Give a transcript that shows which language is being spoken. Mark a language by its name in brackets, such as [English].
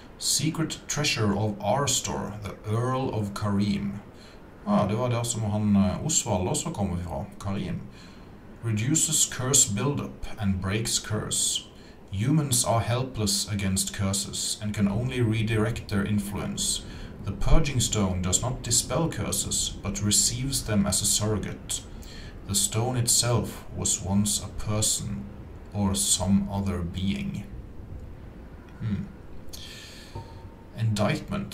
[English] Secret treasure of Arstor, the Earl of Karim. [Norwegian] Ah, det var der som han Osvald også kom fra. [English] Karim. Reduces curse buildup and breaks curse. Humans are helpless against curses and can only redirect their influence. The purging stone does not dispel curses, but receives them as a surrogate. The stone itself was once a person or some other being. Hmm. Indictment.